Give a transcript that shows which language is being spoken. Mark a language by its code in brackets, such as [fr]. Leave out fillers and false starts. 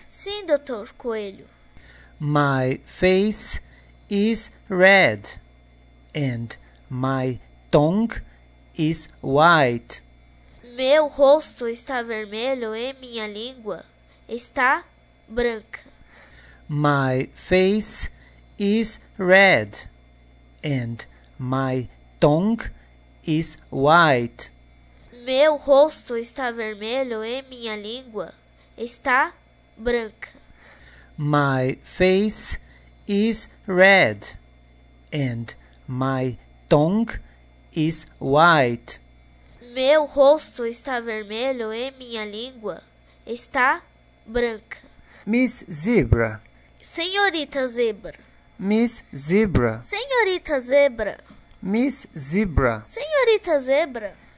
[pt] Sim, Dr. Coelho. [en] My face is red and My tongue is white. [pt] Meu rosto está vermelho e minha língua está branca. [en] My face is red and my tongue is white. [pt] Meu rosto está vermelho e minha língua está branca. [en] My face is red and my tongue is white. [pt] Meu rosto está vermelho e minha língua está branca. [en] Miss Zebra. [pt] Senhorita Zebra. [en] Miss Zebra. [pt] Senhorita Zebra. [en] Miss Zebra. [pt] Senhorita Zebra.